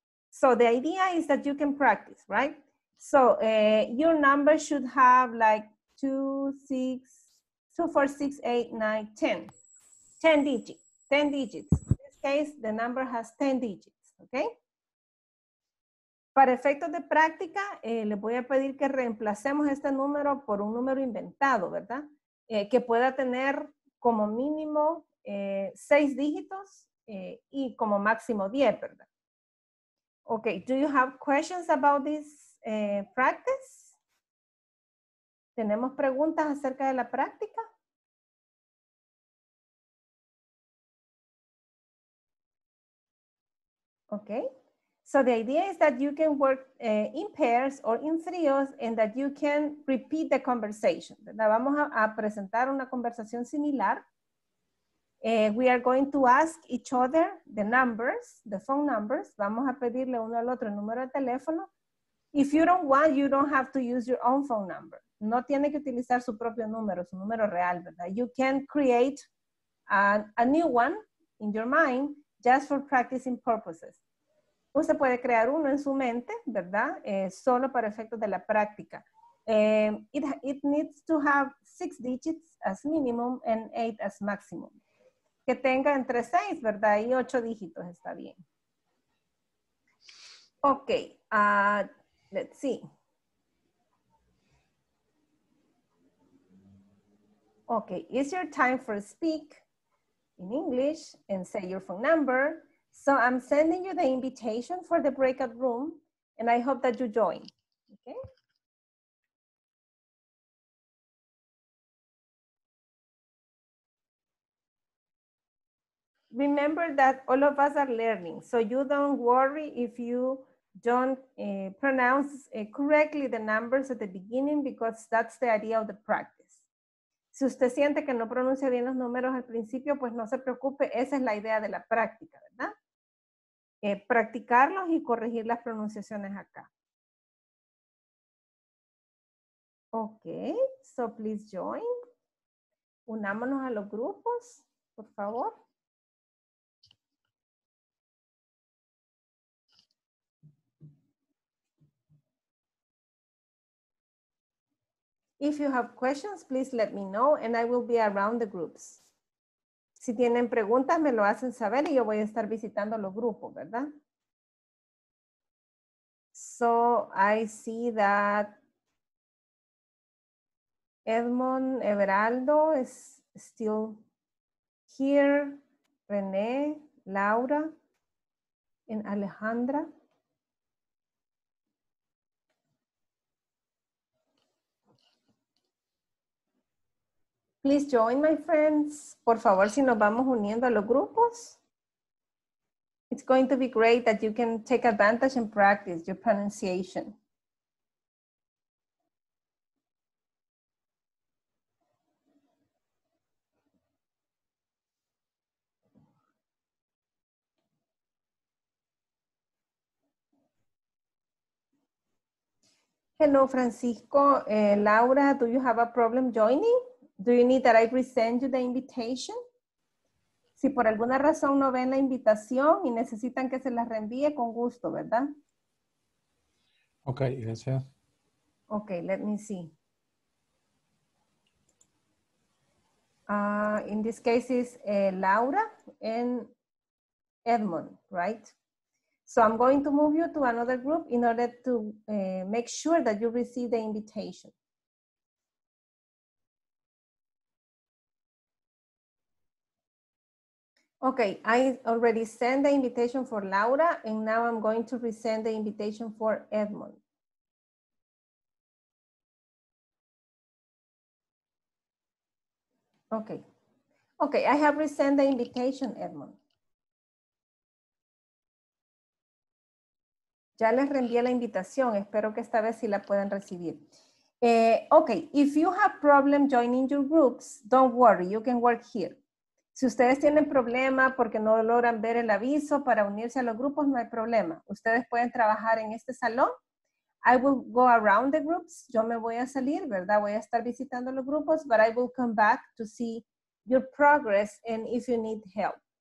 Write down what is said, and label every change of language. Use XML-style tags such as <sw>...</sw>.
<en>So the idea is that you can practice, right? So your number should have like 10 digits. In this case, the number has 10 digits, okay?</en> <es>Para efectos de práctica, les voy a pedir que reemplacemos este número por un número inventado, ¿verdad? Que pueda tener como mínimo 6 dígitos y como máximo 10, ¿verdad?</es> <en>Okay, do you have questions about this practice?</en> <es>¿Tenemos preguntas acerca de la práctica?</es> <en>Okay. So the idea is that you can work in pairs or in trios and that you can repeat the conversation.</en> <es>Vamos a presentar una conversación similar.</es> <en>We are going to ask each other the numbers, the phone numbers.</en> <es>Vamos a pedirle uno al otro el número de teléfono.</es> <en>If you don't want, you don't have to use your own phone number.</en> <es>No tiene que utilizar su propio número, su número real, ¿verdad?</es> <en>You can create a new one in your mind just for practicing purposes.</en> <es>Usted puede crear uno en su mente, ¿verdad? Solo para efectos de la práctica.</es> <en>It needs to have 6 digits as minimum and 8 as maximum.</en> <es>Que tenga entre 6, ¿verdad? Y 8 dígitos está bien.</es> <en>Ok, let's see. Ok, it's your time for speak in English and say your phone number. So I'm sending you the invitation for the breakout room, and I hope that you join, okay? Remember that all of us are learning, so you don't worry if you don't pronounce correctly the numbers at the beginning, because that's the idea of the practice.</en> <es>Si usted siente que no pronuncia bien los números al principio, pues no se preocupe, esa es la idea de la práctica, ¿verdad? Practicarlos y corregir las pronunciaciones acá.</es> <en>Ok, so please join.</en> <es>Unámonos a los grupos, por favor.</es> <en>If you have questions, please let me know and I will be around the groups.</en> <es>Si tienen preguntas, me lo hacen saber y yo voy a estar visitando los grupos, ¿verdad?</es> <en>So, I see that Edmond Everaldo is still here, René, Laura, and Alejandra. Please join my friends.</en> <es>Por favor, si nos vamos uniendo a los grupos.</es> <en>It's going to be great that you can take advantage and practice your pronunciation. Hello, Francisco. Laura, do you have a problem joining? Do you need that I resend you the invitation?</en> <es>Si por alguna razón no ven la invitación y necesitan que se la reenvíe, con gusto, ¿verdad? Ok, gracias.</es> <en>Ok, let me see. In this case is Laura and Edmund, right? So I'm going to move you to another group in order to make sure that you receive the invitation. Okay, I already sent the invitation for Laura, and now I'm going to resend the invitation for Edmund. Okay. Okay, I have resend the invitation, Edmund.</en> <es>Ya les reenvié la invitación. Espero que esta vez sí la puedan recibir.</es> <en>Okay, if you have problem joining your groups, don't worry, you can work here.</en> <es>Si ustedes tienen problema porque no logran ver el aviso para unirse a los grupos, no hay problema. Ustedes pueden trabajar en este salón.</es> <en>I will go around the groups.</en> <es>Yo me voy a salir, ¿verdad? Voy a estar visitando los grupos,</es> <en>but I will come back to see your progress and if you need help.</en>